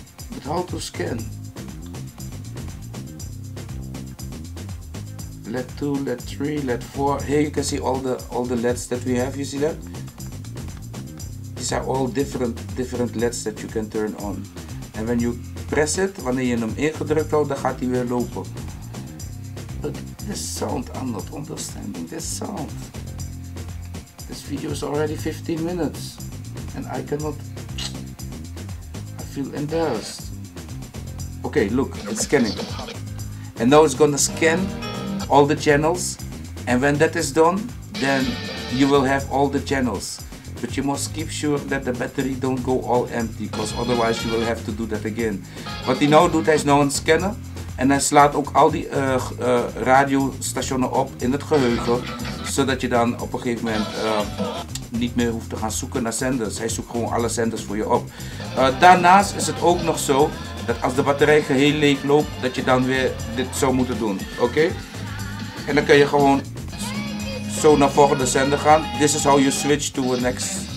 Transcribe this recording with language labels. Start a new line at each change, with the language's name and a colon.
English: But how to scan? LED 2, LED 3, LED 4. Here you can see all the LEDs that we have. You see that? These are all different LEDs that you can turn on. And when you press it,
Dutch: wanneer je hem ingedrukt houdt, dan gaat hij weer lopen.
English: But this sound, I'm not understanding this sound. This video is already 15 minutes. And I cannot... I feel embarrassed. Okay, look, it's scanning. And now it's gonna scan all the channels, and when that is done, then you will have all the channels. But you must keep sure that the battery don't go all empty, because otherwise you will have to do that again.
Dutch: Wat hij nou doet, hij is nou een scanner en hij slaat ook al die radiostationen op in het geheugen, zodat je dan op een gegeven moment niet meer hoeft te gaan zoeken naar zenders. Hij zoekt gewoon alle zenders voor je op. Daarnaast is het ook nog zo dat als de batterij geheel leeg loopt, dat je dan weer dit zou moeten doen, oké? Okay? En dan kun je gewoon zo naar volgende zender gaan.
English: This is how you switch to the next.